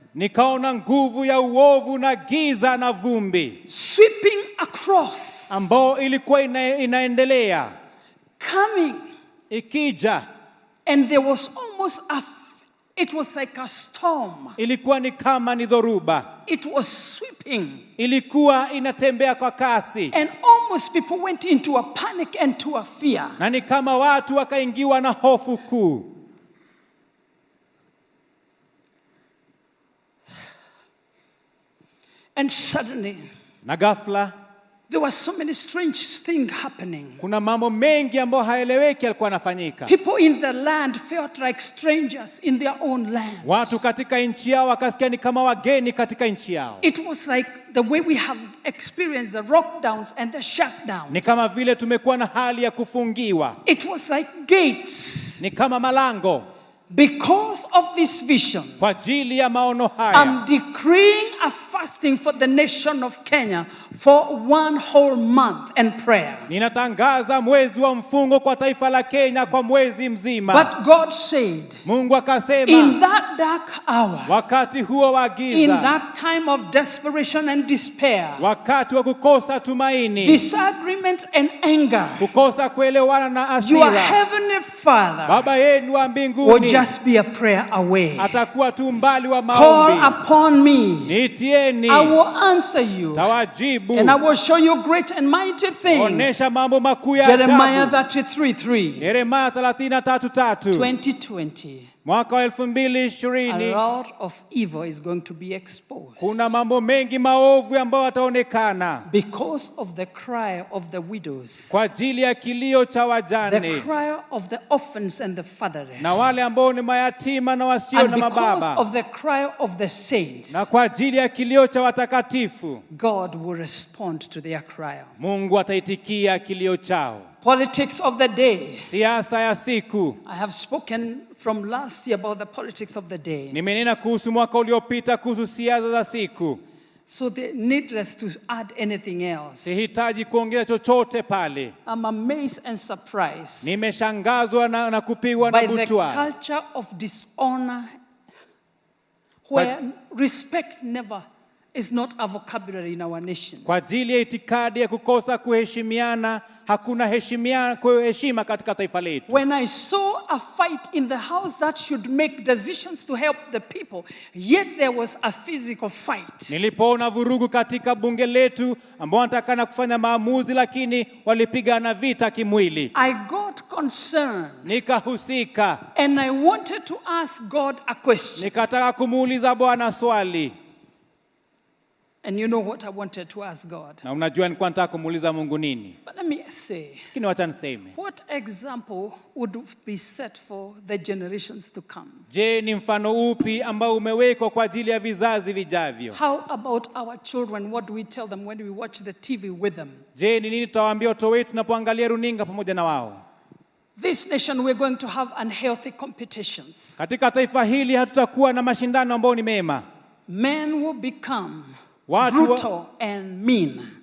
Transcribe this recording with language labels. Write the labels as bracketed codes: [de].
[sw] Nikaona nguvu ya uovu na giza na vumbi. [en] Sweeping across. [sw] Ambao ilikuwa inaendelea. [en] Coming. [sw] Ikija. [en] And there was almost a, it was like a storm. [sw] Ilikuwa ni kama ni dhoruba. [en] It was sweeping. [sw] Ilikuwa inatembea kwa kasi. [en] And almost people went into a panic and to a fear. [sw] Na ni kama watu wakaingiwa na hofu kuu. [en] And suddenly, [sw] na ghafla, [en] there were so many strange things happening. [sw] Kuna mambo mengi ambayo haeleweki yalikuwa yanafanyika. [en] People in the land felt like strangers in their own land. [sw] Watu katika nchi yao wakasikia ni kama wageni katika nchi yao. [en] It was like the way we have experienced the lockdowns and the shutdowns. [sw] Ni kama vile tumekuwa na hali ya kufungiwa. [en] It was like gates. [sw] Ni kama malango. [en] Because of this vision, [sw] kwa ajili ya maono haya, [en] I'm decreeing a fasting for the nation of Kenya for one whole month and prayer. [sw] Ninatangaza mwezi wa mfungo kwa taifa la Kenya kwa mwezi mzima. [en] But God said, [sw] Mungu akasema, [en] in that dark hour, [sw] wakati huo wa giza, [en] in that time of desperation and despair, [sw] wakati wa kukosa tumaini, [en] disagreement and anger, [sw] kukosa kuelewana na hasira, [en] your heavenly Father, [sw] Baba yenu wa mbinguni, [en] just be a prayer away. [sw] Atakuwa tu mbali wa maombi. [en] Call upon me. [sw] Nitieni. [en] I will answer you. [sw] Tawajibu. [en] And I will show you great and mighty things. [sw] Onesha mambo makuu ya [en] Jeremiah 33:3. Jeremiah 33:3. 2020. [sw] Mwaka 2020. [en] A lot of evil is going to be exposed. [sw] Kuna mambo mengi maovu ambayo yataonekana. [en] Because of the cry of the widows. [sw] Kwa ajili ya kilio cha wajane. [en] The cry of the orphans and the fatherless. [sw] Na wale ambao ni mayatima na wasio na mababa. [en] And because of the cry of the saints. [sw] Na kwa ajili ya kilio cha watakatifu. [en] God will respond to their cry. [sw] Mungu ataitikia kilio chao. [en] Politics of the day. [sw] Siasa ya siku. [en] I have spoken from last year about the politics of the day. [sw] Nimenena kuhusu mwaka uliopita kuhusu siasa za siku. [en] So the needless to add anything else. [sw] Sihitaji kuongeza chochote pale. [en] I'm amazed and surprised. [sw] Nimeshangazwa na kupigwa na butwa. [en] By the culture of dishonor where respect never is not a vocabulary in our nation. [sw] Kwa ajili ya itikadi ya kukosa kuheshimiana, hakuna heshimiana kwa heshima katika taifa letu. [en] When I saw a fight in the house that should make decisions to help the people, yet there was a physical fight. [sw] Nilipoona vurugu katika bunge letu ambao wanataka kufanya maamuzi lakini walipigana vita kimwili. [en] I got concerned. [sw] Nikahusika. [en] And I wanted to ask God a question. [sw] Nikataka kumuuliza Bwana swali. [en] And you know what I wanted to ask God. [sw] Na unajua nilikuwa nataka kumuuliza Mungu nini? [en] But let me say. [sw] Kini wacha niseme. [en] What example would be set for the generations to come? [sw] Je, ni mfano upi ambao umewekwa kwa ajili ya vizazi vijavyo? [en] How about our children? What do we tell them when we watch the TV with them? [sw] Je, ni nini tutawaambia watoto wetu tunapoangalia runinga pamoja na wao? [en] This nation we're going to have unhealthy competitions. [sw] Katika taifa hili hatutakuwa na mashindano ambayo ni mema. [en] Men will become brutal and mean.